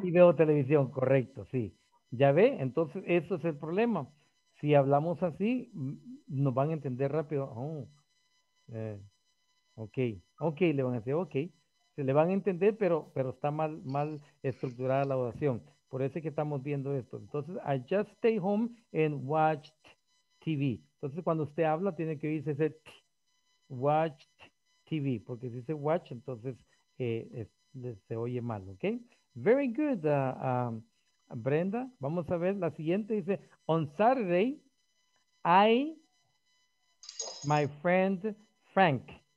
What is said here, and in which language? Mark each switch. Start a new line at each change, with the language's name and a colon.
Spanish: Y veo televisión, correcto, sí. ¿Ya ve? Entonces, eso es el problema. Si hablamos así, nos van a entender rápido. Ok, le van a decir, ok. Se le van a entender, pero está mal estructurada la oración. Por eso es que estamos viendo esto. Entonces,
English: I just stay home and watched TV.
Spanish: Entonces, cuando usted habla, tiene que oírse ese
English: watched TV.
Spanish: Porque si dice watch, entonces se oye mal, ¿ok?
English: Very good,
Spanish: Brenda. Vamos a ver la siguiente. Dice,
English: on Saturday, my friend Frank.